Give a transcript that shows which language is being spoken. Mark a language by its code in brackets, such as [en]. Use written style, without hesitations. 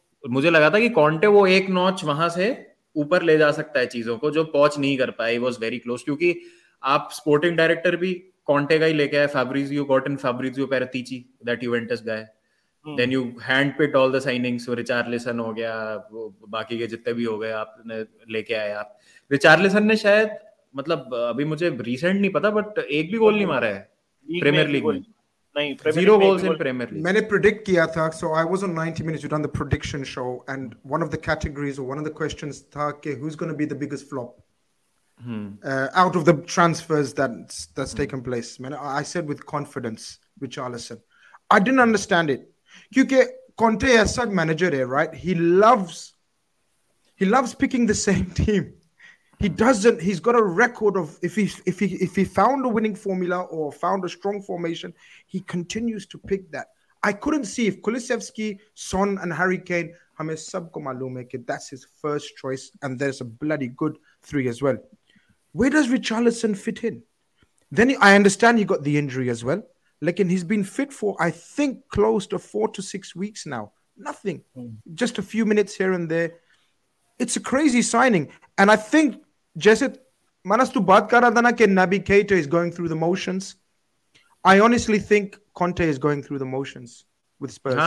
[hi] मुझे लगा था कि कॉन्टे वो एक नॉच वहां से ऊपर ले जा सकता है चीजों को, जो पॉच नहीं कर पाया, [en] was very close, [hi] क्योंकि आप स्पोर्टिंग डायरेक्टर भी कॉन्टे का ही लेके आए, Fabrizio cotton, Fabrizio पेरातिची that Juventus गए, [en] then you handpicked all the signings, [hi] Richarlison हो गया, बाकी के जितने भी हो गए आपने लेके आए, आप Richarlison ने शायद, मतलब अभी मुझे recent नहीं पता, but एक भी गोल नहीं मारा है प्रीमियर लीग में, नहीं [en] Zero goals in premier league. [hi] मैंने प्रिडिक्ट किया था, [en] so I was on 90 minutes, you've done the prediction show, and one of the categories or one of the questions था कि who's going to be the biggest flop out of the transfers that's taken place. I said with confidence Richarlison. I didn't understand it. [hi] क्योंकि Conte ऐसा manager है, [en] Right, he loves picking the same team, he doesn't, he is got a record of, if he found a winning formula और found a strong formation, he continues to pick that. I couldn't see if Kulusevski, Son and Harry Kane, [hi] हमें सबको मालूम है कि [en] That's his first choice and there is a bloody good three as well, where does Richarlison fit in? Then I understand he got the injury as well, like, and he's been fit for, I think, close to 4 to 6 weeks now. Nothing. Just a few minutes here and there. It's a crazy signing. And I think, [hi] jaise manas tu baat kar raha tha na ke [en] Naby Keita is going through the motions, I honestly think Conte is going through the motions with Spurs.